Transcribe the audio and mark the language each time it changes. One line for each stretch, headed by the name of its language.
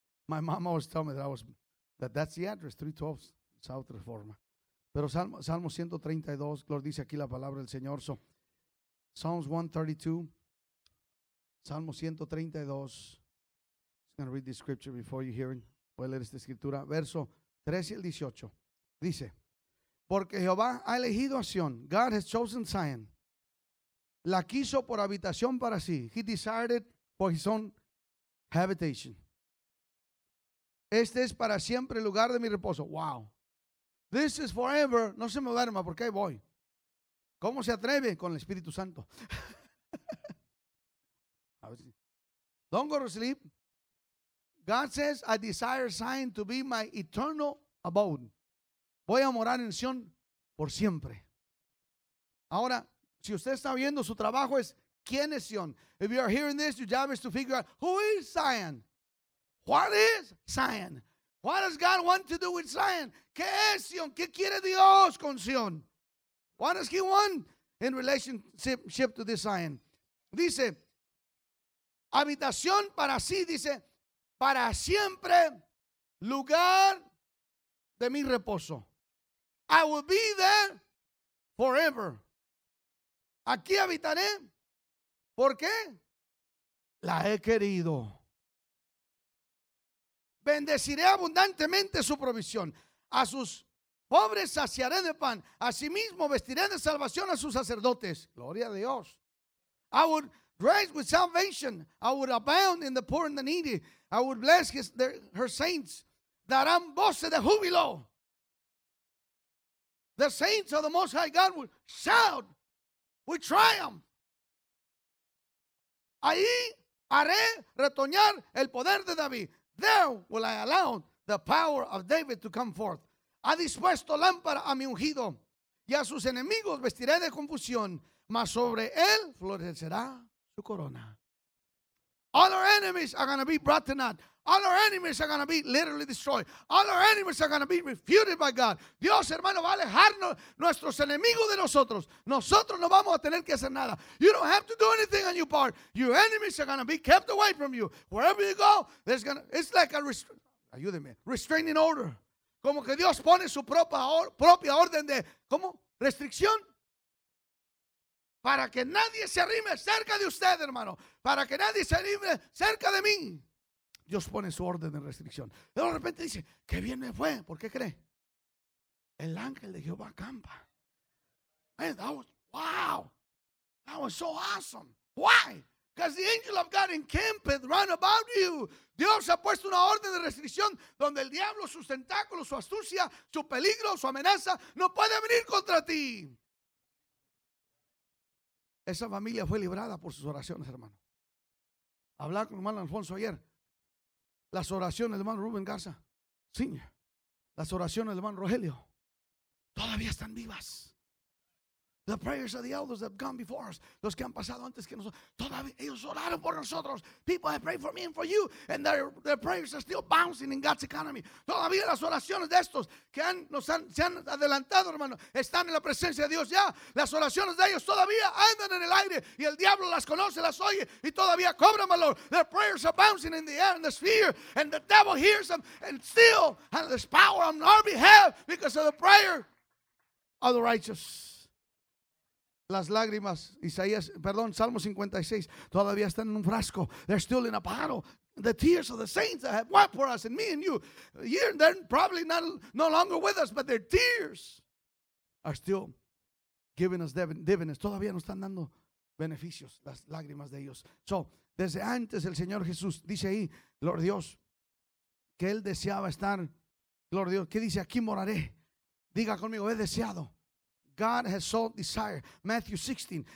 English: My mom always told me that that's the address, 312 South Reforma.
Spanish: Pero Salmo 132, Lord, dice aquí la palabra del Señor.
English: So, Psalms 132,
Spanish: Salmo 132.
English: I'm going to read this scripture before you hear it.
Spanish: Voy a leer esta escritura. Verso 13 y el 18. Dice, porque Jehová ha elegido a Sion.
English: God has chosen Zion.
Spanish: La quiso por habitación para sí.
English: He desired it for his own habitation.
Spanish: Este es para siempre el lugar de mi reposo.
English: Wow. This is forever.
Spanish: No se me duerma porque ahí voy. ¿Cómo se atreve? Con el Espíritu Santo. A ver si.
English: Don't go to sleep. God says, I desire Zion to be my eternal abode.
Spanish: Voy a morar en Sion por siempre. Ahora, si usted está viendo, su trabajo es, ¿quién es Sion?
English: If you are hearing this, your job is to figure out, who is Zion? What is Zion? What does God want to do with Zion?
Spanish: ¿Qué es Sion? ¿Qué quiere Dios con Sion?
English: What does he want in relationship to this Zion?
Spanish: Dice, habitación para sí, dice, para siempre, lugar de mi reposo.
English: I will be there forever.
Spanish: Aquí habitaré. ¿Por qué? La he querido. Bendeciré abundantemente su provisión. A sus pobres saciaré de pan. Asimismo vestiré de salvación a sus sacerdotes. Gloria a Dios.
English: I would rise with salvation. I would abound in the poor and the needy. I would bless her saints.
Spanish: Darán voces de júbilo.
English: The saints of the Most High God will shout with triumph.
Spanish: Ahí haré retoñar el poder de David.
English: There will I allow the power of David to come forth.
Spanish: Ha dispuesto lámpara a mi ungido, y a sus enemigos vestiré de confusión, mas sobre él florecerá su corona.
English: All our enemies are going to be brought to naught. All our enemies are going to be literally destroyed. All our enemies are going to be refuted by God.
Spanish: Dios, hermano, va a alejarnos nuestros enemigos de nosotros. Nosotros no vamos a tener que hacer nada.
English: You don't have to do anything on your part. Your enemies are going to be kept away from you. Wherever you go, there's going to, it's like a restraining order.
Spanish: Como que Dios pone su propia orden de, ¿cómo? Restricción. Para que nadie se arrime cerca de usted, hermano. Para que nadie se arrime cerca de mí. Dios pone su orden de restricción. De repente dice, ¿qué bien me fue? ¿Por qué cree? El ángel de Jehová acampa.
English: Man, that was, wow. That was so awesome. Why? Because the angel of God encamped round about you.
Spanish: Dios ha puesto una orden de restricción donde el diablo, sus tentáculos, su astucia, su peligro, su amenaza, no puede venir contra ti. Esa familia fue librada por sus oraciones, hermano. Hablaba con el hermano Alfonso ayer. Las oraciones del hermano Rubén Garza. Sí. Las oraciones del hermano Rogelio. Todavía están vivas.
English: The prayers of the elders that have gone before us.
Spanish: Los que han pasado antes que nosotros. Todavía ellos oraron por nosotros.
English: People have prayed for me and for you. And their prayers are still bouncing in God's economy.
Spanish: Todavía las oraciones de estos que han, nos han, se han adelantado, hermano, están en la presencia de Dios ya. Las oraciones de ellos todavía andan en el aire. Y el diablo las conoce, las oye. Y todavía cobran valor.
English: Their prayers are bouncing in the air, in the sphere. And the devil hears them. And still has this power on our behalf because of the prayer of the righteous.
Spanish: Las lágrimas, Isaías, perdón, Salmo 56, todavía están en un frasco.
English: They're still in a bottle. The tears of the saints that have wept for us and me and you. Here and they're probably not, no longer with us, but their tears are still giving us dividends.
Spanish: Todavía nos están dando beneficios las lágrimas de ellos. So, desde antes el Señor Jesús dice ahí, Gloria a Dios, que Él deseaba estar, Gloria a Dios, que dice, aquí moraré. Diga conmigo, he deseado.
English: God has so desired.
Spanish: Matthew 16.